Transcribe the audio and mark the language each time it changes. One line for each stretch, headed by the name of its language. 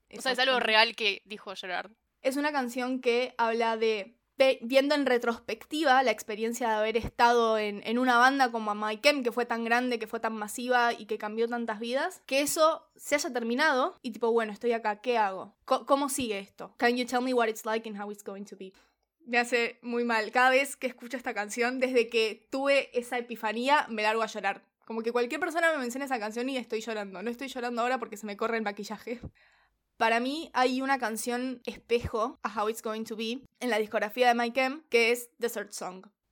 Spanish: Exacto. O sea, es algo real que dijo Gerard. Es una canción que habla de, viendo en retrospectiva, la experiencia de haber estado en una banda como a My Chem, que fue tan grande, que fue tan masiva y que cambió tantas vidas, que eso se haya terminado y tipo, bueno, estoy acá, ¿qué hago? ¿Cómo sigue esto?
English: Can you tell me what it's like and how it's going to be?
Spanish: Me hace muy mal. Cada vez que escucho esta canción, desde que tuve esa epifanía, me largo a llorar. Como que cualquier persona me menciona esa canción y estoy llorando. No estoy llorando ahora porque se me corre el maquillaje. Para mí hay una canción espejo a How It's Going to Be en la discografía de Mike M, que es Desert Song.